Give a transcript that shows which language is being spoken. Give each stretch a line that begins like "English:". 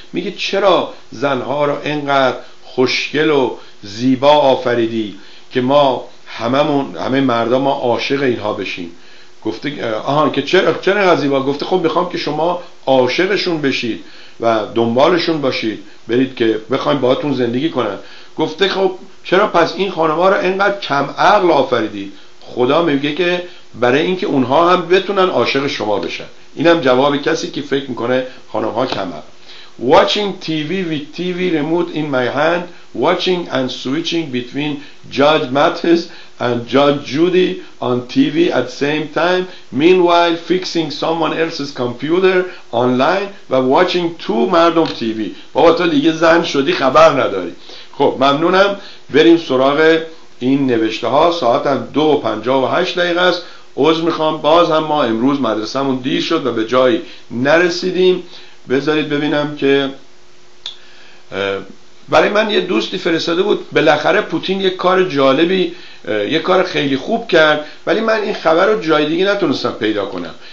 Persian: میگه چرا زنها را اینقدر خوشگل و زیبا آفریدی که ما هممون همه مردا ما عاشق اینها بشیم؟ گفته آهان که چرا زیبا؟ گفته خب میخوام که شما عاشقشون بشید و دنبالشون باشید، برید که بخواید باهاتون زندگی کنن. گفته خب چرا پس این خانما رو اینقدر کم عقل آفریدی؟ خدا میگه که برای اینکه اونها هم بتونن عاشق شما بشن. اینم جواب کسی که فکر میکنه خانم ها کم عقل.
English: Watching TV with TV remote in my hand, watching and switching between Judge Mathis and Judge Judy on TV at the same time, meanwhile fixing someone else's computer online و watching two مردم TV.
Persian: بابا تو دیگه زن شدی خبر نداری. خب ممنونم، بریم سراغ این نوشته ها. ساعت هم 2:58 است. عذر میخوام، باز هم ما امروز مدرسه‌مون دیر شد و به جایی نرسیدیم. بذارید ببینم که برای من یه دوستی فرستاده بود، بالاخره پوتین یه کار جالبی، یه کار خیلی خوب کرد، ولی من این خبر رو جای دیگه نتونستم پیدا کنم.